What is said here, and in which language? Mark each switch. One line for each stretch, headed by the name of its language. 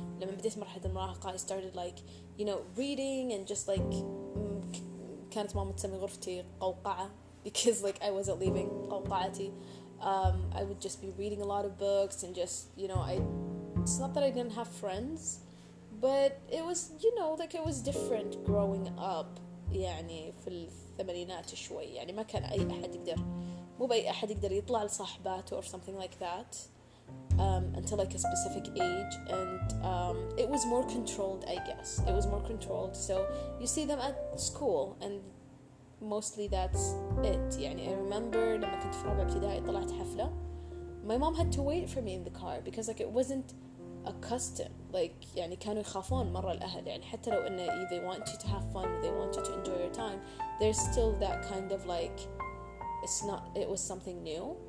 Arabic: لما بديت مرحلة المراهقة,
English: I started like, you know, reading and just like
Arabic: كانت ماما تسمي غرفتي قوقعة.
English: Because like I wasn't leaving قوقعتي, I would just be reading a lot of books and just, you know, it's not that I didn't have friends, but it was, you know, like it was different growing up.
Arabic: يعني في الثمانينات شوي, يعني ما كان أي أحد يقدر, مو بأي أحد يقدر يطلع لصاحباته
English: or something like that,
Arabic: until like a specific age.
English: And it was more controlled, I guess. It was more controlled. So you see them at school and mostly that's it.
Arabic: يعني
English: I remember
Arabic: لما كنت في رابع ابتدائي طلعت حفلة,
English: my mom had to wait for me in the car because like it wasn't a custom. Like
Arabic: يعني كانوا يخافون مرة الأهل, يعني حتى لو إن
English: they want you to have fun, they want you to enjoy your time, there's still that kind of like it's not, it was something new.